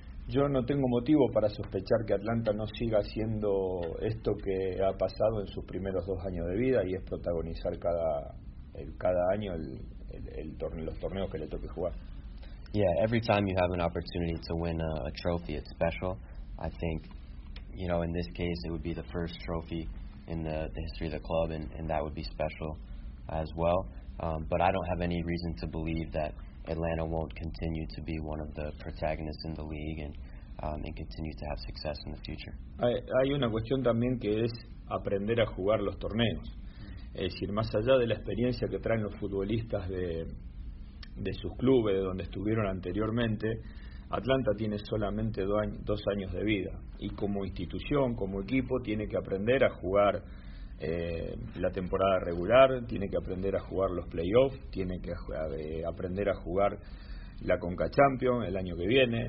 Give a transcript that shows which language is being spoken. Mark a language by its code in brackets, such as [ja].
[es] Yo no tengo motivo para sospechar que Atlanta no siga haciendo esto que ha pasado en sus primeros dos años de vida, y es protagonizar cada año los torneos que le toque jugar. [en] Yeah, every time you have an opportunity to win a trophy, it's special. I think, you know, in this case, it would be the first trophy in the history of the club, and that would be special as well. But I don't have any reason to believe that Atlanta won't continue to be one of the protagonists in the league and continue to have success in the future. [es] Hay una cuestión también que es aprender a jugar los torneos. Es decir, más allá de la experiencia que traen los futbolistas de sus clubes, de donde estuvieron anteriormente, Atlanta tiene solamente dos años de vida. Y como institución, como equipo, tiene que aprender a jugar la temporada regular, tiene que aprender a jugar los playoffs, tiene que aprender a jugar la Conca Champions el año que viene.